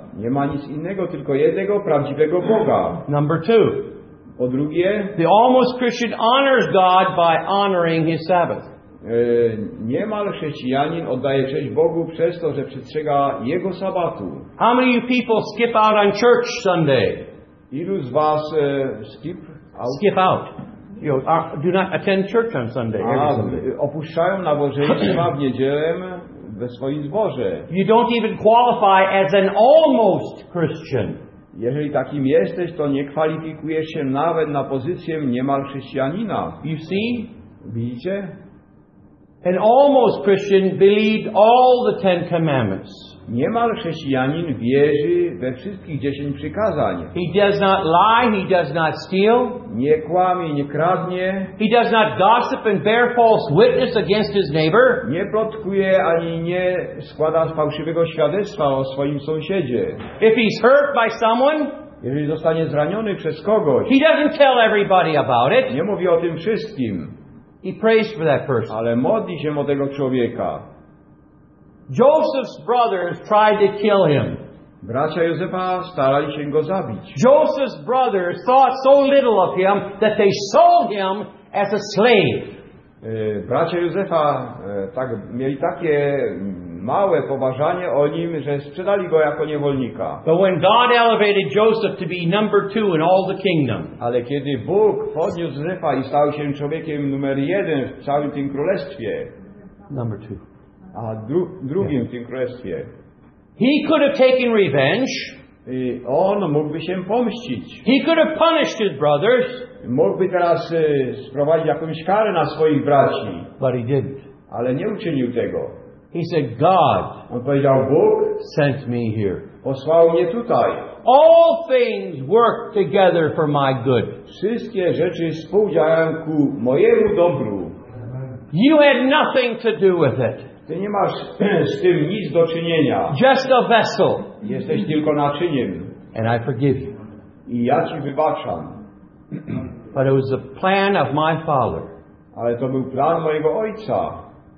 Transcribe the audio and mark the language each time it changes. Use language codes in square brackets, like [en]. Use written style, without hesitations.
[pl] Nie ma nic innego, tylko jednego prawdziwego Boga. [en] Number two. [pl] Po drugie. [en] The almost Christian honors God by honoring his Sabbath. [pl] Niemal chrześcijanin oddaje cześć Bogu przez to, że przestrzega jego sabatu. [en] How many people skip out on church Sunday? [pl] Ilu z was [en] skip out? Skip out. You know, do not attend church on Sunday. [pl] Opuszczają nabożeństwa w niedzielę we swoim zborze. [en] You don't even qualify as an almost Christian. [pl] Jeżeli takim jesteś, to nie kwalifikujesz się nawet na pozycję niemal chrześcijanina. [en] You see? [pl] Widzicie? [en] An almost Christian believed all the Ten Commandments. [pl] Niemal chrześcijanin wierzy we wszystkich dziesięć przykazań. [en] He does not lie, he does not steal. [pl] Nie kłamie, nie kradnie. [en] He does not gossip and bear false witness against his neighbor. [pl] Nie plotkuje ani nie składa fałszywego świadectwa o swoim sąsiedzie. [en] If he's hurt by someone, [pl] jeżeli zostanie zraniony przez kogoś, [en] he doesn't tell everybody about it. [pl] Nie mówi o tym wszystkim. [en] He prays for that person. [pl] Ale modli się o tego człowieka. [en] Joseph's brothers tried to kill him. [pl] Bracia Józefa starali się go zabić. [en] Joseph's brothers thought so little of him that they sold him as a slave. [pl] Bracia Józefa tak mieli takie małe poważanie o nim, że sprzedali go jako niewolnika. [en] But when God elevated Joseph to be number two in all the kingdom. [pl] Ale kiedy Bóg podniósł Józefa i stał się człowiekiem numer jeden w całym tym królestwie. [en] Number two. [pl] A drugim w tym królestwie. [en] He could have taken revenge. [pl] I on mógłby się pomścić. [en] He could have punished his brothers. [pl] Mógłby teraz sprowadzić jakąś karę na swoich braci. [en] But he didn't. [pl] Ale nie uczynił tego. [en] He said, God [pl] Bóg [en] sent me here. [pl] Posłał mnie tutaj. [en] All things work together for my good. [pl] Wszystkie rzeczy współdziałają ku mojemu dobru. [en] You had nothing to do with it. [pl] Ty nie masz z tym nic do czynienia. [en] Just a vessel. [pl] Jesteś tylko naczyniem. [en] And I forgive you. [pl] I ja ci wybaczam. [en] But it was the plan of my father. [pl] Ale to był plan mojego ojca.